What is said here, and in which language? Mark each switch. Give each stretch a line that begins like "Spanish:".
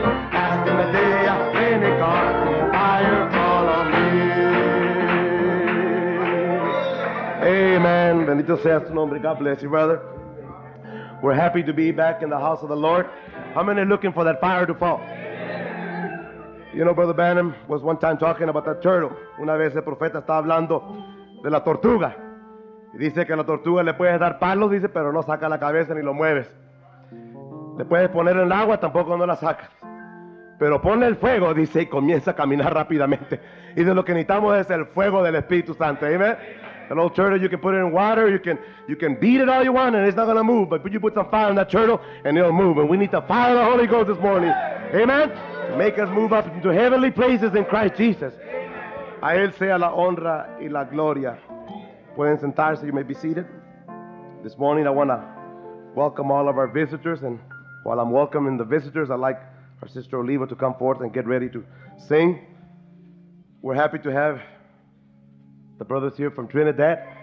English: As in the day of Pentecost, fire, follow me.
Spanish: Amen. Bendito sea tu nombre.
English: God bless you, brother. We're happy to be back in the house of the Lord. How many are looking for that fire to fall? You know, Brother Branham was one time talking about that turtle.
Spanish: Una vez el profeta estaba hablando de la tortuga. Y dice que la tortuga le puedes dar palos, dice, pero no saca la cabeza ni lo mueves. Le puedes poner en el agua, tampoco no la sacas. Pero pone el fuego, dice, y comienza a caminar rápidamente. Y de lo que necesitamos es el fuego del Espíritu Santo. Amen.
English: A little turtle, you can put it in water, you can beat it all you want, and it's not going to move. But you put some fire on that turtle, and it'll move. And we need the fire of the Holy Ghost this morning. Amen? To make us move up into heavenly places in Christ Jesus.
Spanish: A Él sea la honra y la gloria. Pueden sentarse,
English: you may be seated. This morning, I want to welcome all of our visitors. And while I'm welcoming the visitors, I'd like our sister Oliva to come forth and get ready to sing. We're happy to have the brothers here from Trinidad.